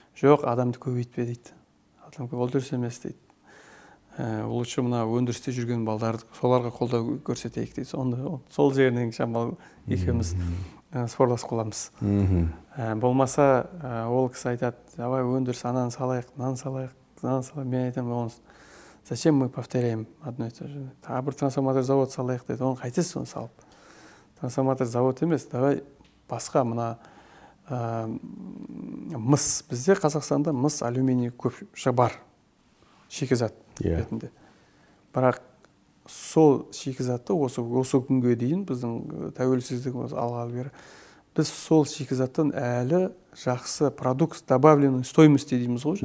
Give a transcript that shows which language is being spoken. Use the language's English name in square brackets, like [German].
[Kazakh] Жоқ, адамды көбейтпе дейді. Адам көп, ол дұрыс емес дейді. Лучше мына өндірісте жүрген балдарды соларға қолдау көрсетейік дейді. Сонда сол жерінен шамал екеуміз спорласып қаламыз. Болмаса ол кісі айтады, давай өндіріс ананы салайық, мынаны салайық, мынаны салайық. Мен айтамын, оны [Russian] зачем мы повторяем одно и то же? [Kazakh] Тағы бір трансформатор завод салайық дейді, оны қайтесіз оны салып. Трансформатор завод емес, давай басқа мына мыс. Бізде Қазақстанда мыс, алюминий көп бар шикізат. Ретінде. Бірақ сол шикізатты осы күнге дейін біздің тәуелсіздігіміз алғалы бері біз сол шикізаттан әлі жақсы [Russian] продукт добавленный стоимость [Kazakh] дейміз ғой.